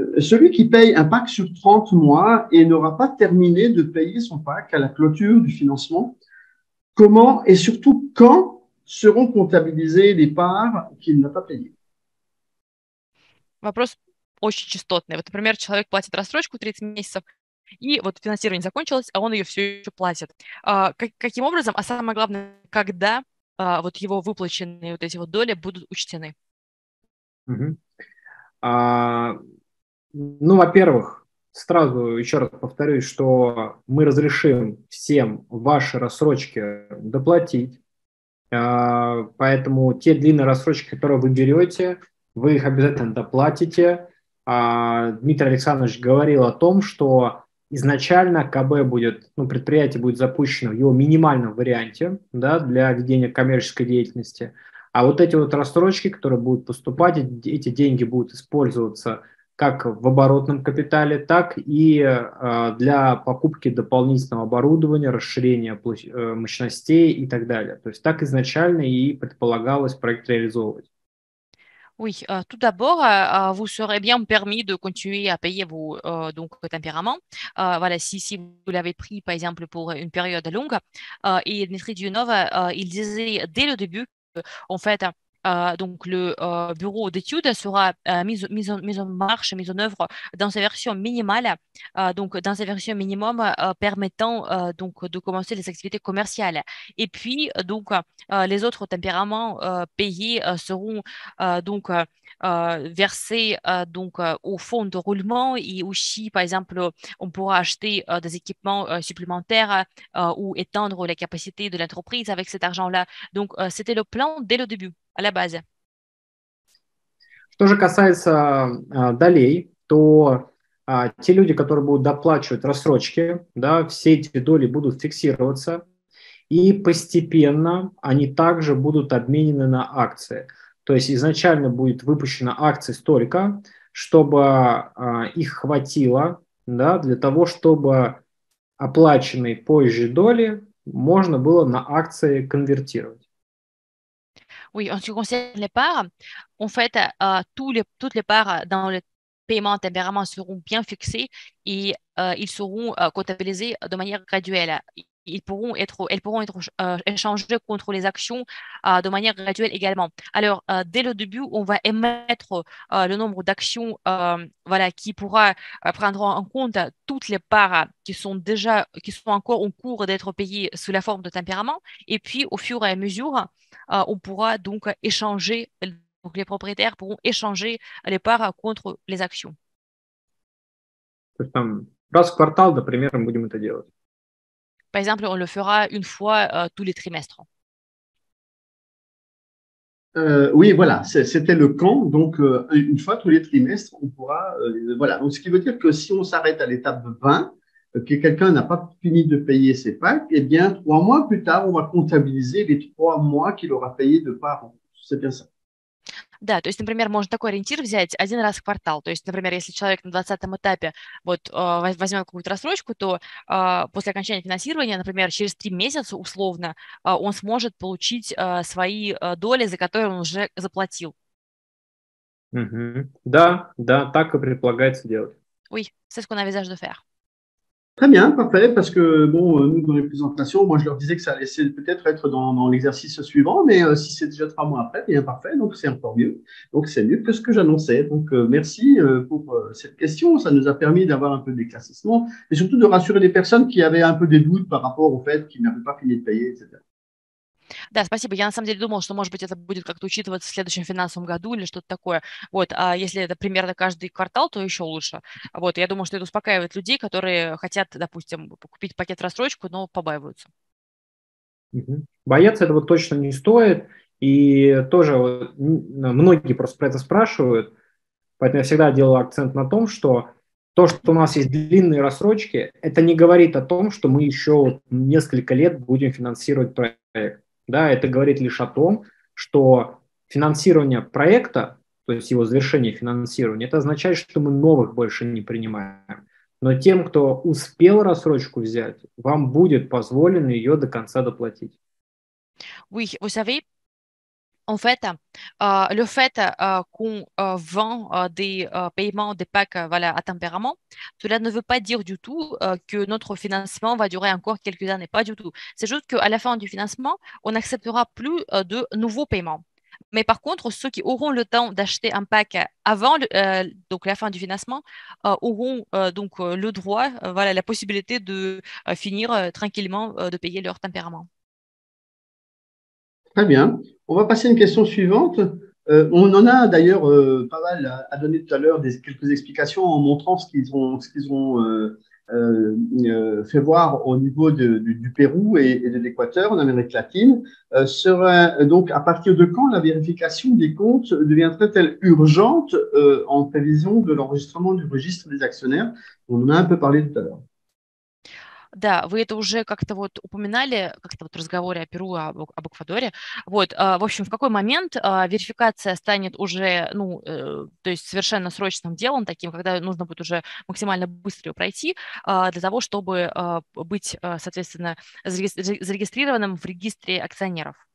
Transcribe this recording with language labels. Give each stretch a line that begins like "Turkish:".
French: Celui qui paye un pack sur 30 mois et n'aura pas terminé de payer son pack à la clôture du financement, comment et surtout quand seront comptabilisées les parts qu'il n'a pas payées?
Russian: Вопрос очень частотный. Вот, например, человек платит рассрочку 30 месяцев, и вот финансирование закончилось, а он ее все еще платит. Каким образом, а самое главное, когда вот его выплаченные вот эти вот доли будут учтены? Ну, во-первых, сразу еще раз повторюсь, что мы разрешим всем ваши рассрочки доплатить. Поэтому те длинные рассрочки, которые вы берете, вы их обязательно доплатите. Дмитрий Александрович говорил о том, что изначально КБ будет, ну, предприятие будет запущено в его минимальном варианте, да, для ведения коммерческой деятельности. А вот эти вот рассрочки, которые будут поступать, эти деньги будут использоваться как в оборотном капитале, так и для покупки дополнительного оборудования, расширения мощностей и так далее. То есть так изначально и предполагалось проект реализовывать.
French: Oui, tout d'abord, vous serez bien permis de continuer à payer vos donc tempéraments. Voilà, si vous l'avez pris, par exemple, pour une période longue. Et Dmitri Dunov, il disait dès le début, en fait, Donc, le bureau d'études sera mis en œuvre dans sa version minimale, donc dans sa version minimum permettant donc de commencer les activités commerciales. Et puis, donc, les autres tempéraments payés seront donc versés donc au fonds de roulement et aussi, par exemple, on pourra acheter des équipements supplémentaires ou étendre les capacités de l'entreprise avec cet argent-là. Donc, c'était le plan dès le début. À la base.
Russian: Что же касается долей, то те люди, которые будут доплачивать рассрочки, да, все эти доли будут фиксироваться, и постепенно они также будут обменены на акции. То есть изначально будет выпущено акции столько, чтобы их хватило, да, для того, чтобы оплаченные позже доли можно было на акции конвертировать.
French: Oui, en ce qui concerne les parts, en fait, toutes les parts dans le paiement tempérament seront bien fixées et ils seront comptabilisés de manière graduelle. Elles pourront être échangées contre les actions de manière graduelle également. Alors, dès le début, on va émettre le nombre d'actions voilà, qui pourra prendre en compte toutes les parts qui sont encore en cours d'être payées sous la forme de tempérament. Et puis, au fur et à mesure, on pourra donc échanger, donc les propriétaires pourront échanger les parts contre les actions.
Russian: Раз в квартал, например, мы будем это делать.
French: Par exemple, on le fera une fois tous les trimestres. Oui, voilà, c'était le camp. Donc, une fois tous les trimestres, on pourra… voilà. Donc, ce qui veut dire que si on s'arrête à l'étape 20, que quelqu'un n'a pas fini de payer ses packs, eh bien, trois mois plus tard, on va comptabiliser les trois mois qu'il aura payé de part. C'est bien ça.
Russian: Да, то есть, например, можно такой ориентир взять один раз в квартал. То есть, например, если человек на 20-м этапе вот, возьмет какую-то рассрочку, то после окончания финансирования, например, через 3 месяца условно, он сможет получить свои доли, за которые он уже заплатил. Mm-hmm. Да, да, так и предполагается делать.
French: Oui, c'est ce qu'on envisage de faire. Très bien, parfait, parce que, bon, nous, dans les présentations, moi, je leur disais que ça allait peut-être être dans l'exercice suivant, mais si c'est déjà trois mois après, bien, parfait, donc c'est encore mieux. Donc, c'est mieux que ce que j'annonçais. Donc, merci pour cette question. Ça nous a permis d'avoir un peu d'éclaircissement, mais surtout de rassurer les personnes qui avaient un peu des doutes par rapport au fait qu'ils n'avaient pas fini de payer, etc.
Russian: Да, спасибо. Я на самом деле думала, что, может быть, это будет как-то учитываться в следующем финансовом году или что-то такое. Вот, а если это примерно каждый квартал, то еще лучше. Вот, я думаю, что это успокаивает людей, которые хотят, допустим, купить пакет-рассрочку, но побаиваются. Бояться этого точно не стоит. И тоже многие просто про это спрашивают. Поэтому я всегда делаю акцент на том, что то, что у нас есть длинные рассрочки, это не говорит о том, что мы еще несколько лет будем финансировать проект. Да, это говорит лишь о том, что финансирование проекта, то есть его завершение финансирования, это означает, что мы новых больше не принимаем. Но тем, кто успел рассрочку взять, вам будет позволено ее до конца доплатить.
French: Oui, vous savez, en fait, le fait qu'on vend des paiements, des packs voilà, à tempérament, cela ne veut pas dire du tout que notre financement va durer encore quelques années, pas du tout. C'est juste qu'à la fin du financement, on n'acceptera plus de nouveaux paiements. Mais par contre, ceux qui auront le temps d'acheter un pack avant donc la fin du financement auront donc le droit, voilà, la possibilité de finir tranquillement de payer leur tempérament. Très bien. On va passer à une question suivante. On en a d'ailleurs pas mal à donner tout à l'heure quelques explications en montrant ce qu'ils ont fait voir au niveau du Pérou et de l'Équateur en Amérique latine. Sera donc à partir de quand la vérification des comptes deviendrait-elle urgente en prévision de l'enregistrement du registre des actionnaires? On en a un peu parlé tout à l'heure.
Russian: Да, вы это уже как-то вот упоминали, как-то вот в разговоре о Перу, об Эквадоре. Вот, в общем, в какой момент верификация станет уже, ну, то есть совершенно срочным делом таким, когда нужно будет уже максимально быстро ее пройти для того, чтобы быть, соответственно, зарегистрированным в регистре акционеров?